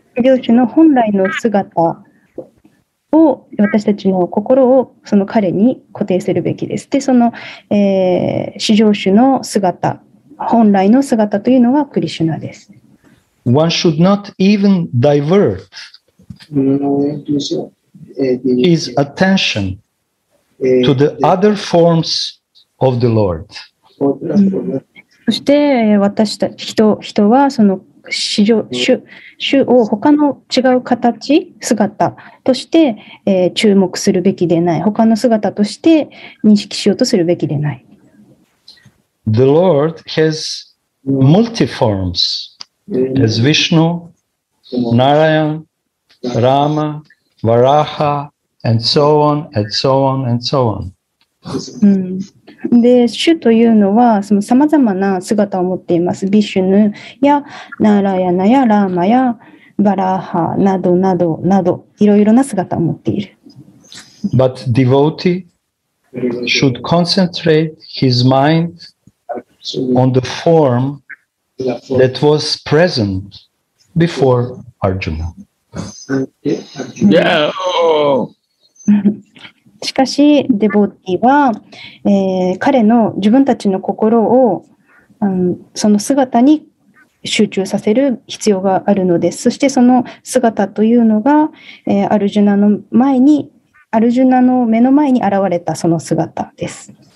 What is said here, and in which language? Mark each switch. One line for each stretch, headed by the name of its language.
Japanese: 両親の本来の姿を私たちの心をその彼に固定するべきです。で、その、至上主の姿、本来の姿というのはクリシュナです。
English: One should not even divert his attention to the other forms of the Lord.
Japanese: そして私たち人はその主を他の違う形姿として、注目するべきでない他の姿として認識しようとするべきでない
English: The Lord has multiforms as Vishnu, Narayan, Rama, Varaha and so on and so on and so on、
Japanese: で主というのはその様々な姿を持っています。ビシュヌやナラヤナやラーマやバラーハなどなどなどいろいろな姿を持っている。
English: But devotee should concentrate his mind on the form that was present before Arjuna. Yeah.
Japanese: しかし、デボーティは、彼の自分たちの心を、その姿に集中させる必要があるのです。そしてその姿というのが、アルジュナの前に、アルジュナの目の前に現れたその姿です。